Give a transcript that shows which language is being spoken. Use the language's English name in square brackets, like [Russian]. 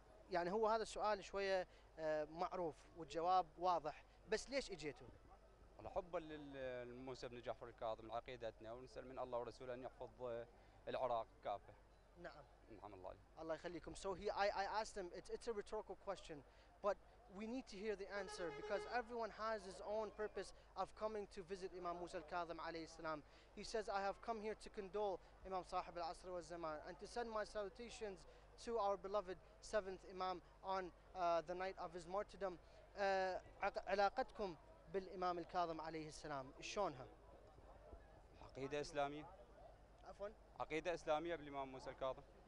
[Arabic] يعني هو هذا السؤال شوية معروف والجواب واضح، بس ليش إجيته؟ الحب للموسى بن جعفر الكاظم عقيدتنا، ونسأل من الله ورسوله أن يحفظ العراق كافة. نعم. نعم الله. الله يخليكم. [English] So I asked him. It's a rhetorical question, but we need to hear the answer, because everyone has his own purpose of coming to visit Imam Musa al-Kadhim alayhi salam. He says, I have come here to condole Imam Sahib al-Asr wa al-Zaman and to send my salutations to our beloved seventh Imam on the night of his martyrdom. [Arabic] علاقتكم بالإمام الكاظم عليه السلام شلونها؟ عقيدة إسلامية. عفوا. عقيدة إسلامية بالإمام موسى الكاظم.